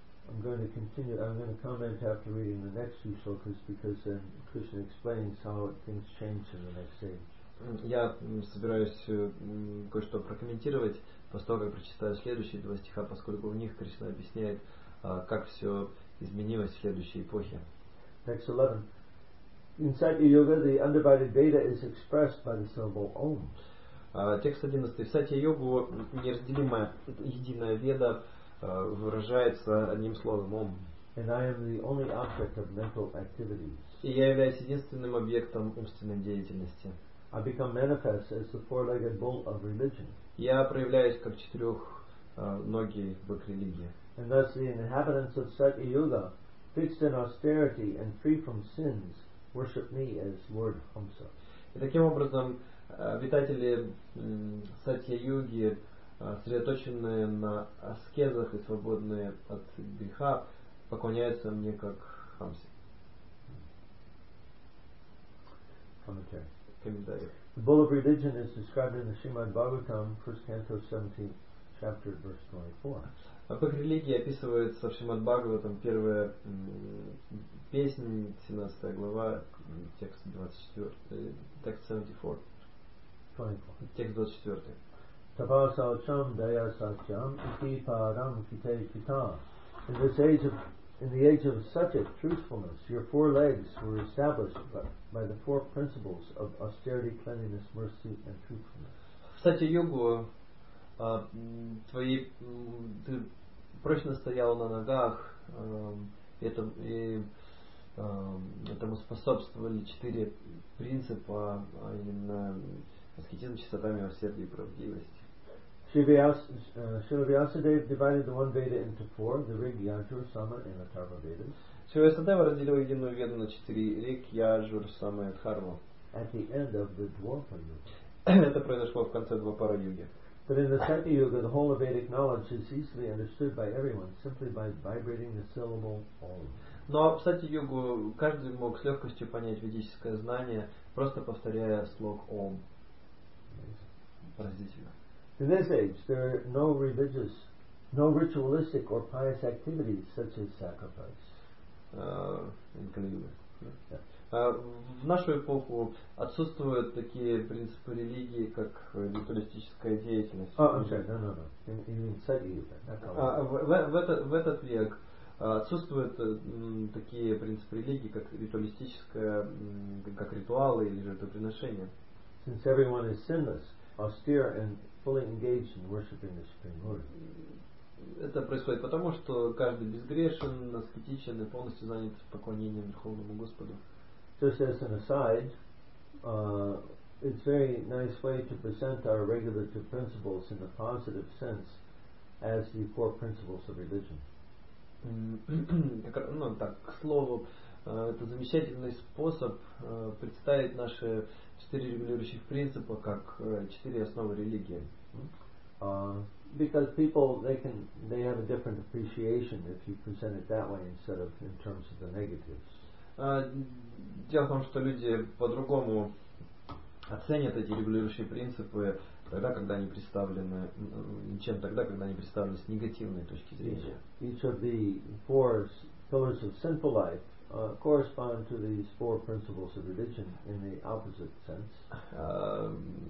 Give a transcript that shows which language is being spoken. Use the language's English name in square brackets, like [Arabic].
[English] I'm going to continue. I'm going to comment after reading the next few shlokas because then Krishna explains how things change in the next stage. [Russian] Я собираюсь кое-что прокомментировать после того, как прочитаю следующие два стиха, поскольку в них Кришна объясняет, как все изменилось в следующей эпохе. [English] Text 11. In Satya-yuga, the undivided Veda is expressed by the symbol Om. [Russian] Текст 11. В Сатья-йогу неразделимая единая Веда выражается одним словом Ом. [English] And I am the only object of mental activities. [Russian] И я являюсь единственным объектом умственной деятельности. [English] I become manifest as the four-legged bull of religion. [Russian] Я проявляюсь как четырехногий бык религии. [English] And thus the inhabitants of Satya-yuga, fixed in austerity and free from sins, worship me as Lord Hamsa. [Russian] И таким образом, обитатели Сатья-юги, сосредоточенные на аскезах и свободные от греха, поклоняются мне как Хамсе. [English] Commentary. The bull of religion is described in the Srimad Bhagavatam, 1st canto, 17th chapter, verse 24. [Russian] Бык религии описывается в Шримад Бхагаватам, первая песня, 17 глава, текст 24. Текст 24. [Sanskrit] Tapa sacham, daya sacham, iti param kite kita. [English] In the age of Satya truthfulness, your four legs were established by the four principles of austerity, cleanliness, mercy, and truthfulness. [Russian] Кстати, йогу, твои, ты прочно стоял на ногах, этому способствовали четыре принципа, а именно аскетизм, чистота, милосердие и правдивость. [English] Shri Vyasadeva divided the one Veda into four, the Rig, Yajur, Sama and Atharva Vedas. [Russian] Shri Vyasadeva разделил единую Веду на четыре, Риг, Яджур, Сама и Атхарва. [English] At the end of the Dwapara Yuga. [Russian] Это произошло в конце Двапара Юги. [English] But in the Satya Yuga, the whole of Vedic knowledge is easily understood by everyone simply by vibrating the syllable Om. [Russian] Но в Сати Югу каждый мог с легкостью понять ведическое знание, просто повторяя слог Ом. [English] In this age, there are no religious, no ritualistic or pious activities such as sacrifice. [Russian] В нашу эпоху отсутствуют такие принципы религии, как ритуалистическая деятельность. В этот век отсутствуют такие принципы религии, как ритуалистическая, как ритуалы или жертвоприношения. [English] Since everyone is sinless, austere and fully engaged in worshiping the Supreme Lord. [Russian] Это происходит потому, что каждый безгрешен, аскетичен и полностью занят поклонением Верховному Господу. [English] Just as an aside, it's a very nice way to present our regulative principles in a positive sense as the four principles of religion. [Russian] Ну, так, к слову, это замечательный способ представить наши четыре регулирующих принципа как четыре основы религии. [English] Because people they have a different appreciation if you present it that way instead of in terms of the negatives. [Russian] Дело в том, что люди по-другому оценят эти регулирующие принципы тогда, когда они представлены, чем тогда, когда они представлены с негативной точки зрения. [English] Each of the four pillars of sinful life correspond to these four principles of religion in the opposite sense.